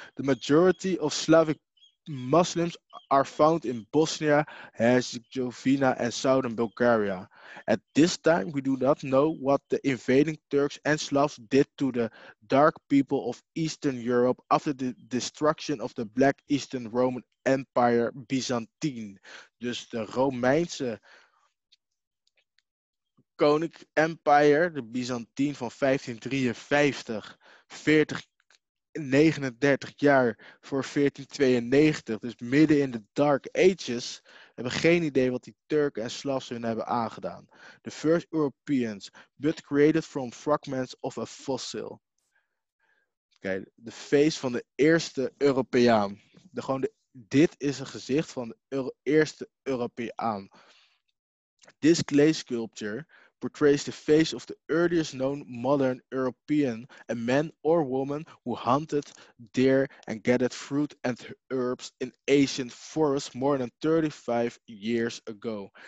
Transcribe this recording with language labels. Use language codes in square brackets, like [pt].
[en] The majority of Slavic Muslims are found in Bosnia, Herzegovina and southern Bulgaria. At this time, we do not know what the invading Turks and Slavs did to the dark people of Eastern Europe after the destruction of the Black Eastern Roman Empire Byzantine. [nl] Dus de Romeinse Koninklijk Empire, de Byzantine van 1553, 40 39 jaar voor 1492, dus midden in de Dark Ages, hebben geen idee wat die Turken en Slavs hun hebben aangedaan. [en] The first Europeans, but created from fragments of a fossil. [nl] Kijk, de face van de eerste Europeaan. Dit is een gezicht van de eerste Europeaan. [en] This clay sculpture portrays the face of the earliest known modern European, a man or woman who hunted deer and gathered fruit and herbs in ancient forests more than 35 years ago.